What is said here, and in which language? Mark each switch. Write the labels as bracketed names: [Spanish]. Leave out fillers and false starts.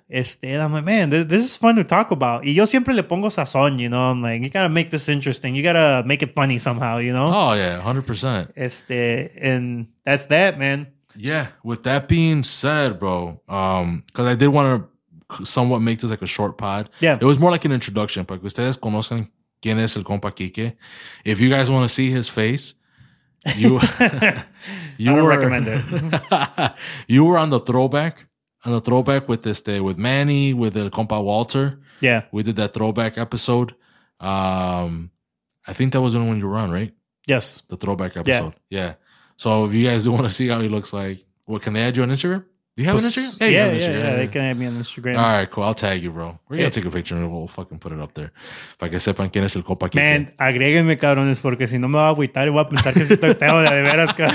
[English] And I'm like, man, this is fun to talk about. [Spanish] Y yo siempre le pongo sazón, [English] you know? I'm like, you got to make this interesting. You got to make it funny somehow, you know? Oh, yeah, 100%. And that's that, man. Yeah, with that being said, bro, because I did want to somewhat make this like a short pod. Yeah. It was more like an introduction. [Spanish] Para que ustedes conozcan quién es el compa Quique. [English] If you guys want to see his face, I recommend it. You were on the throwback. On the throwback with this day with Manny, with el compa Walter. Yeah. We did that throwback episode. I think that was the only one you were on, right? Yes. The throwback episode. Yeah. So if you guys do want to see how he looks like, what, can they add you on Instagram? Do you have an Instagram? Hey, yeah, an Instagram. Yeah, they can add me on Instagram. All right, cool. I'll tag you, bro. We're going to take a picture and we'll fucking put it up there. [Spanish] Para que sepan quién es el compa Quique. Man, agréguenme, cabrones, porque si no me va a agüitar y voy a pensar que si te voy a de veras.